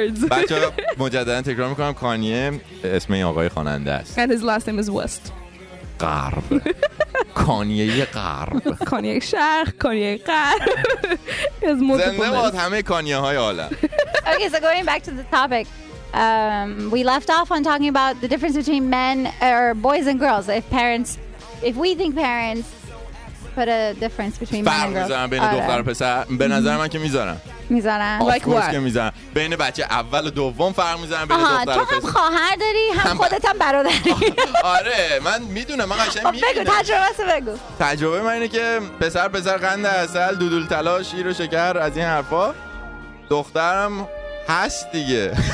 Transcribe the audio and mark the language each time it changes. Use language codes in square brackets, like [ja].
[fa] بچه ها مجددن تکرار میکنم کانیه اسم این آقای خواننده است. [en] And his last name is West. [fa] غرب. کانیه غرب. کانیه شرق. کانیه غرب. زنده باد همه کانیه های عالم. [en] Okay, so going back to the topic. We left off on talking about the difference between men or boys and girls. If we think parents put a difference between men and girls. [fa] بین دختر و پسر به نظر من که میذارم. میذارم. بین بچه اول و دوم فرق میذارم بین دختر و پسر. تو هم خواهر داری هم خودت هم برادری. آره من میدونم من قشنگ میدونم. بگو تجربه‌ت بگو. تجربه من اینه که پسر قند عسل دودول طلا شیر و شکر از این حرفا دخترم هست دیگه.